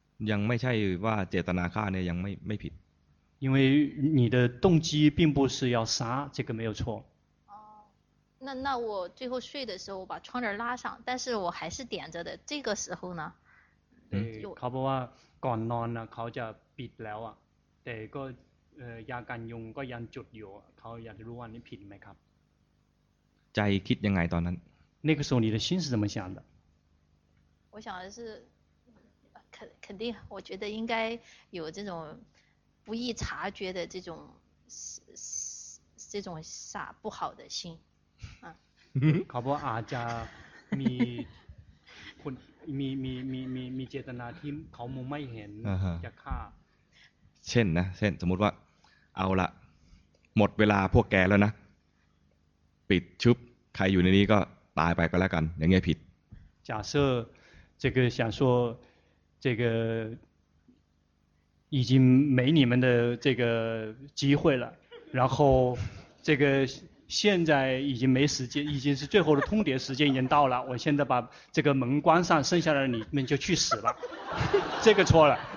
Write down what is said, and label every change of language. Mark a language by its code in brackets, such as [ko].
[th] ยังไม่ใช่ว่าเจตนาฆ่าเนี่ยยังไม่ผิด [zh] 因为你的动机并不是要杀这个没有错那我最后睡的时候我把窗帘拉上但是我还是点着的这个时候呢 [th] เขาบอกว่าก่อนนอนนะเขาจะปิดแล้วอ่ะแต่ก็ยากันยุงก็ยังจุดอยู่เขาอยากจะรู้ว่านี่ผิดไหมครับ ใจคิดยังไงตอนนั้น [zh] 那个时候你的心是怎么想的我想的是肯定我觉得应该有这种不易察觉的这种傻不好的心 [th] เขาบอกอาจจะมีคนมีเจตนาที่เขามองไม่เห็นจะฆ่า เช่นนะเช่นสมมติว่าเอาละหมดเวลาพวกแกแล้วนะปิดชุบใครอยู่ในนี้ก็ตายไปก็แล้วกันอย่างเงี้ยผิด [zh] 假设这个想说这个已经没你们的这个机会了然后这个现在已经没时间已经是最后的通牒时间已经到了我现在把这个门关上剩下的你们就去死了这个错了、